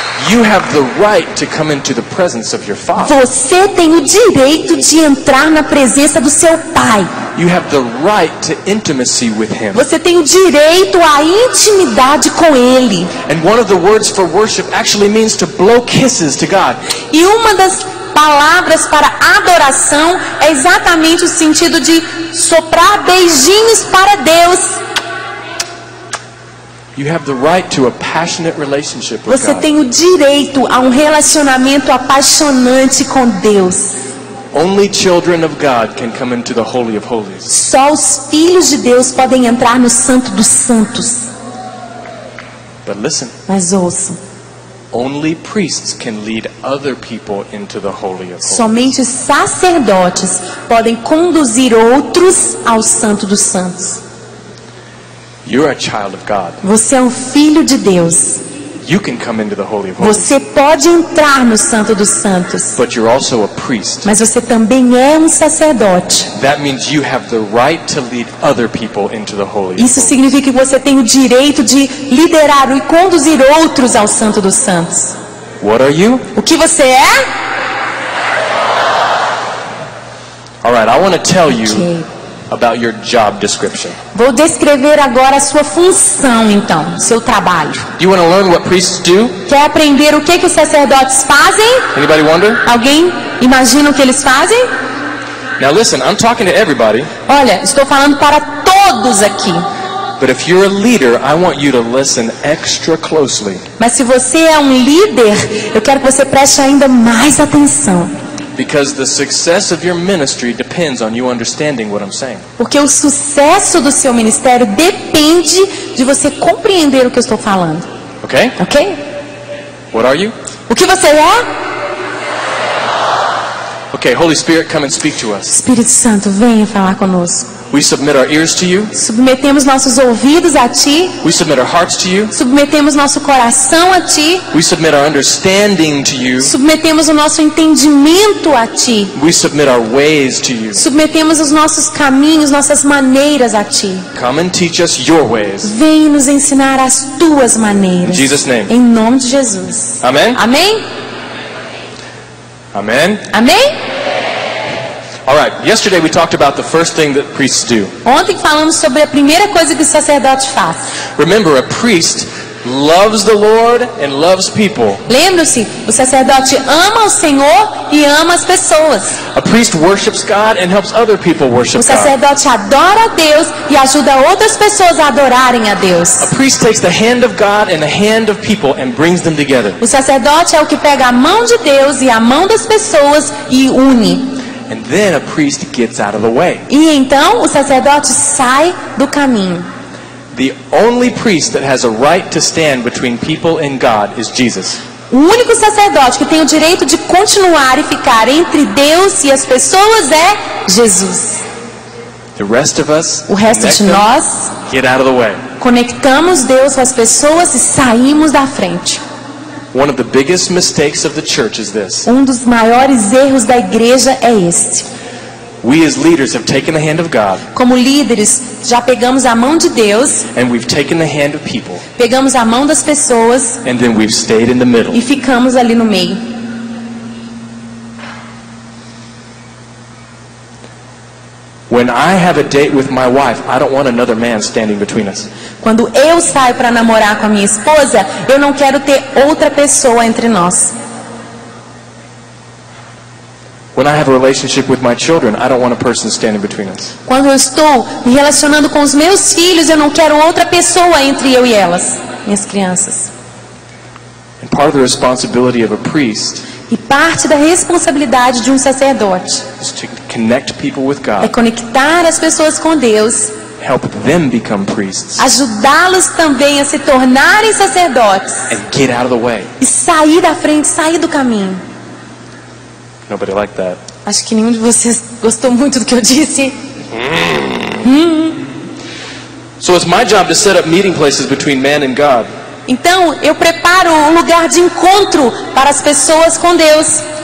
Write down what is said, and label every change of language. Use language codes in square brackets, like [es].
[en] You have the right to come into the presence of your father. [pt] Você tem o direito de entrar na presença do seu pai. [en] You have the right to intimacy with him. [pt] Você tem o direito à intimidade com ele. [en] And one of the words for worship actually means to blow kisses to God. [pt] E uma das palavras para adoração é exatamente o sentido de soprar beijinhos para Deus. [en] You have the right to a passionate relationship with [pt] você [en] God. [pt] Tem o direito a um relacionamento apaixonante com Deus. [en] Only children of God can come into the Holy of Holies. [pt] Só os filhos de Deus podem entrar no Santo dos Santos. [en] But listen. [pt] Mas ouça. [en] Only priests can lead other people into the Holy of Holies. [pt] Somente sacerdotes podem conduzir outros ao Santo dos Santos. [en] You're a child of God. [pt] Você é um filho de Deus. [en] You can come into the Holy of Holies. [pt] Você pode entrar no Santo dos Santos. [en] But you're also a priest. [pt] Mas você também é um sacerdote. [en] That means you have the right to lead other people into the Holy of [pt] Holies. Isso significa que você tem o direito de liderar e conduzir outros ao Santo dos Santos. [en] What are you? [pt] O que você é? [en] All right, I want to tell you about your job description. [pt] Vou descrever agora a sua função então, seu trabalho. [en] Do you want to learn what priests do? [pt] Quer aprender o que que os sacerdotes fazem? [en] Anybody wonder? [pt] Alguém imagina o que eles fazem? [en] Now listen, I'm talking to everybody. [pt] Olha, estou falando para todos aqui. [en] But if you're a leader, I want you to listen extra closely. [pt] Mas se você é um líder, eu quero que você preste ainda mais atenção. [en] Because the success of your ministry depends on you understanding what I'm saying. [pt] Porque o sucesso do seu ministério depende de você compreender o que eu estou falando. [en] Okay? [pt] Okay? [en] What are you? [pt] O que você é? [en] Okay, Holy Spirit, come and speak to us. [pt] Espírito Santo, venha falar conosco. [en] We submit our ears to you. [pt] Submetemos nossos ouvidos a ti. [en] We submit our hearts to you. [pt] Submetemos nosso coração a ti. [en] We submit our understanding to you. [pt] Submetemos o nosso entendimento a ti. [en] We submit our ways to you. [pt] Submetemos os nossos caminhos, nossas maneiras a ti. [en] Come and teach us your ways. [pt] Vem nos ensinar as tuas maneiras. [en] In Jesus' name. [pt] Em nome de Jesus. [en] Amen. [pt] Amém. [en] Amen. [pt] Amém. [en] All right, yesterday we talked about the first thing that priests do. [pt] Ontem falamos sobre a primeira coisa que o sacerdote faz. [en] Remember, a priest loves the Lord and loves people. [pt] Lembre-se, o sacerdote ama o Senhor e ama as pessoas. [en] A priest worships God and helps other people worship God. [pt] O sacerdote adora a Deus e ajuda outras pessoas a adorarem a Deus. [en] A priest takes the hand of God and the hand of people and brings them together. [pt] O sacerdote é o que pega a mão de Deus e a mão das pessoas e une. [en] And then a priest gets out of the way. [pt] E então o sacerdote sai do caminho. [en] The only priest that has a right to stand between people and God is Jesus. [pt] O único sacerdote que tem o direito de continuar e ficar entre Deus e as pessoas é Jesus. [en] The rest of us, [pt] o resto de nós, [en] get out of the way. [pt] Conectamos Deus com as pessoas e saímos da frente. [en] One of the biggest mistakes of the church is this. [pt] Um dos maiores erros da igreja é este. [en] We as leaders have taken the hand of God. [pt] Como líderes, já pegamos a mão de Deus. [en] And we've taken the hand of people. [pt] Pegamos a mão das pessoas. [en] And then we've stayed in the middle. [pt] E ficamos ali no meio. [en] When I have a date with my wife, I don't want another man standing between us. [pt] Quando eu saio para namorar com a minha esposa, eu não quero ter outra pessoa entre nós. [en] When I have a relationship with my children, I don't want a person standing between us. [pt] Quando eu estou me relacionando com os meus filhos, eu não quero outra pessoa entre eu e elas, minhas crianças. [en] And part of the responsibility of a priest. [pt] E parte da responsabilidade de um sacerdote. [en] Is to connect people with God. [pt] É conectar as pessoas com Deus. [en] Help them become priests. [pt] Ajudá-los também a se tornarem sacerdotes. [en] And get out of the way. [pt] E sair da frente, sair do caminho. [en] Nobody liked that. [pt] Acho que nenhum de vocês gostou muito do que eu disse. [en] So it's my job to set up meeting places between man and God. [pt] Então eu preparo um lugar de encontro para as pessoas com Deus.